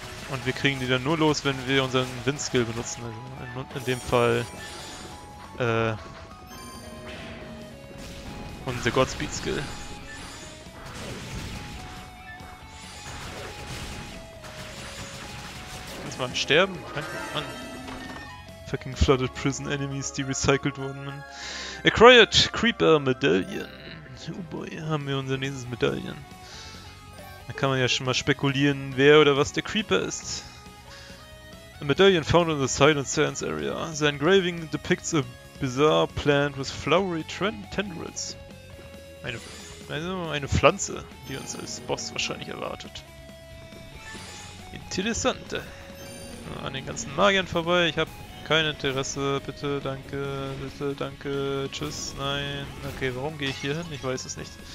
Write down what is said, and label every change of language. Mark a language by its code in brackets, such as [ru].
[de] Und wir kriegen die dann nur los, wenn wir unseren Windskill benutzen. Also in dem Fall unser Godspeed-Skill. Mal sterben? Mann. [en] Fucking flooded prison enemies, [de] die recycelt wurden. [en] Acquired Creeper Medallion. Oh boy, [de] haben wir unser nächstes Medallion. Da kann man ja schon mal spekulieren, wer oder was der Creeper ist. [en] A Medallion found in the Silent Sands area. The engraving depicts a bizarre plant with flowery tendrils. [de] Eine Pflanze, die uns als Boss wahrscheinlich erwartet. Interessante. An den ganzen Magiern vorbei, ich habe kein Interesse, bitte, danke, tschüss, nein, okay, warum gehe ich hier hin? Ich weiß es nicht.